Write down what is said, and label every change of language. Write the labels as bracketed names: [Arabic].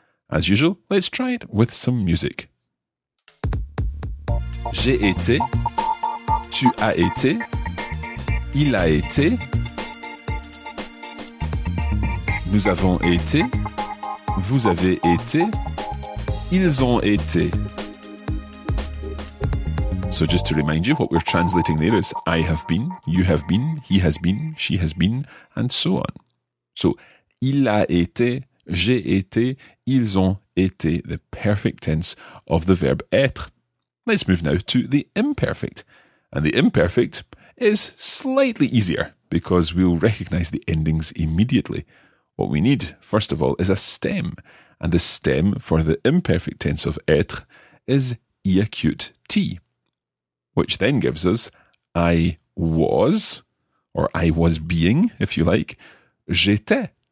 [English] As usual, let's try it with some music. [French] J'ai été, tu as été, il a été, nous avons été, vous avez été, ils ont été. [English] So just to remind you, what we're translating there is I have been, you have been, he has been, she has been, and so on. So, [French] il a été, j'ai été, ils ont été, [English] the perfect tense of the verb [French] être. [English] Let's move now to the imperfect. And the imperfect is slightly easier because we'll recognize the endings immediately. What we need, first of all, is a stem. And the stem for the imperfect tense of être is I acute T, which then gives us I was, or I was being, if you like, [French] j'étais.